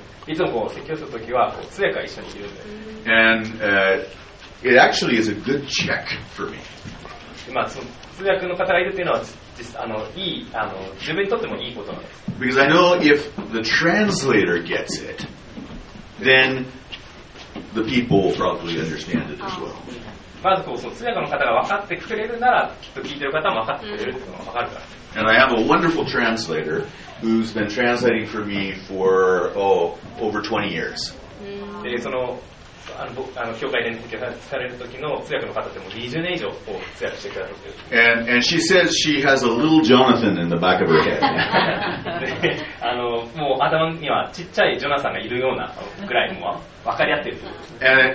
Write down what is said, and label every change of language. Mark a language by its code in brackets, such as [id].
[ja] いつもこう説教するときは通訳が一緒にいるんで。 [en] And, it actually is a good check for me. [ja] まあ、その通訳の方がいるというのは、いい、自分にとってもいいことなんです。 [en] Because I know if the translator gets it, then the people will probably understand it as well. [ja] まずこう、その通訳の方が分かってくれるなら、きっと聞いてる方も分かってくれるというのが分かるから。 [en] And I have a wonderful translator who's been translating for me for, over 20 years. [ja] で、その、教会で説教される時の通訳の方でも20年以上通訳してくださってるっていう。 [en] And she says she has a little Jonathan in the back of her head. [ja] もう頭にはちっちゃいジョナサンがいるようなぐらいも分かり合ってるっていう。